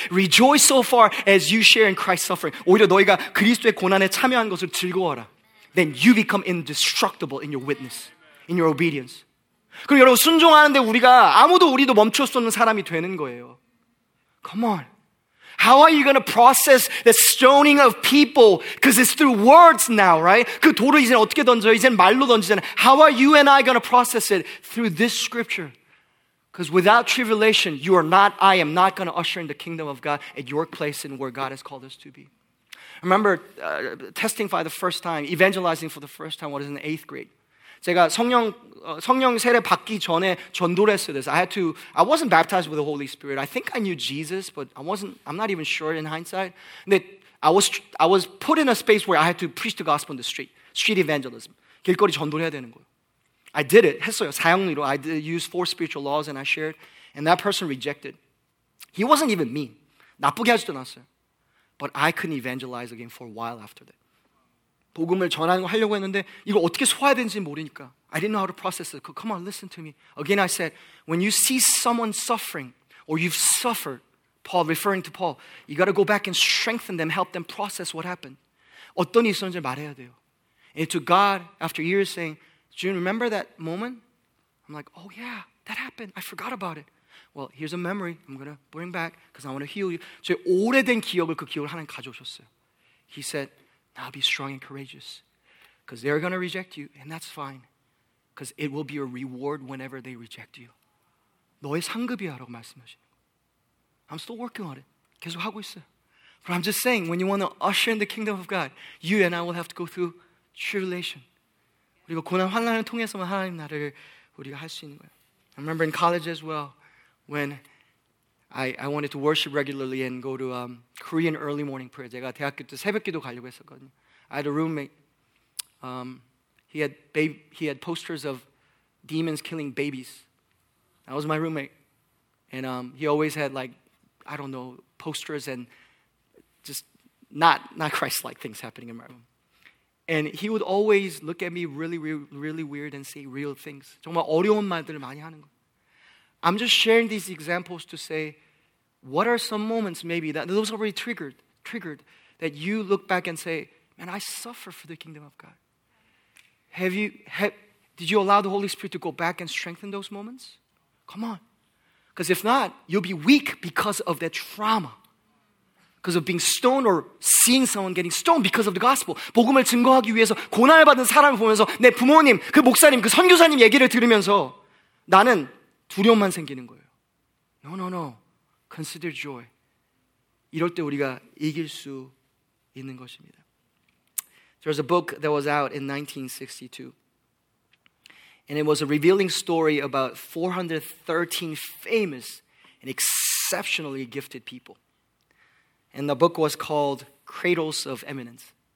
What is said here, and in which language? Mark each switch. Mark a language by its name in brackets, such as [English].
[English] Rejoice so far as you share in Christ's suffering. [Korean] 오히려 너희가 그리스도의 고난에 참여한 것을 즐거워라. [English] Then you become indestructible in your witness, in your obedience. [Korean] 그리고 여러분 순종하는데 우리가 아무도 우리도 멈출 수 없는 사람이 되는 거예요. [English] Come on. How are you going to process the stoning of people? Because it's through words now, right? [Korean] 그 돌을 이제 어떻게 던져요? 이제 말로 던지잖아요. [English] How are you and I going to process it? Through this scripture. Because without tribulation, you are not, I am not going to usher in the kingdom of God at your place and where God has called us to be. Remember, testing for the first time, evangelizing for the first time, what is in the eighth grade? [Korean] 제가 성령 세례 받기 전에 전도를 했어요. 그래서 [English] I wasn't baptized with the Holy Spirit. I think I knew Jesus, but I'm not even sure in hindsight. 근데 I was put in a space where I had to preach the gospel on the street. Street evangelism. [Korean] 길거리 전도를 해야 되는 거예요. [English] I did it. [Korean] 했어요. 사형리로. [English] I used four spiritual laws and I shared. And that person rejected. He wasn't even mean. [Korean] 나쁘게 하지도 않았어요. [English] But I couldn't evangelize again for a while after that. [Korean] 복음을 전하는 거 하려고 했는데 이걸 어떻게 소화해야 되는지 모르니까 [English] I didn't know how to process it. Come on, listen to me. Again, I said, when you see someone suffering or you've suffered, Paul, referring to Paul, you got to go back and strengthen them, help them process what happened. [Korean] 어떤 일이 있었는지 말해야 돼요. [English] And to God, after years, saying, do you remember that moment? I'm like, oh yeah, that happened. I forgot about it. Well, here's a memory I'm going to bring back because I want to heal you. [Korean] 제 오래된 기억을 그 기억을 하나님 가져오셨어요. [English] He said, I'll be strong and courageous because they're going to reject you and that's fine because it will be a reward whenever they reject you. [Korean] 너의 상급이야 라고 말씀하시네. [English] I'm still working on it. [Korean] 계속 하고 있어. [English] But I'm just saying when you want to usher in the kingdom of God, you and I will have to go through tribulation. [Korean] 그리고 고난 환난을 통해서만 하나님 나라를 우리가 할 수 있는 거야. [English] I remember in college as well when I wanted to worship regularly and go to Korean early morning prayer. [Korean] 제가 대학교 때 새벽기도 가려고 했었거든요. [English] I had a roommate. He had posters of demons killing babies. That was my roommate. And he always had like, I don't know, posters and just not Christ-like things happening in my room. And he would always look at me really, really, really weird and say real things. [Korean] 정말 어려운 말들을 많이 하는 거예요. [English] I'm just sharing these examples to say, what are some moments maybe that those are already triggered, that you look back and say, man, I suffer for the kingdom of God. Did you allow the Holy Spirit to go back and strengthen those moments? Come on. Because if not, you'll be weak because of that trauma. Because of being stoned or seeing someone getting stoned because of the gospel. [Korean] 복음을 증거하기 위해서 고난을 받은 사람을 보면서 내 부모님, 그 목사님, 그 선교사님 얘기를 들으면서 나는 두려움만 생기는 거예요. [English] No, no, no. Consider joy. [Korean] 이럴 때 우리가 이길 수 있는 것입니다. [English] There was a book that was out in 1962. And it was a revealing story about 413 famous and exceptionally gifted people. And the book was called Cradles of Eminence.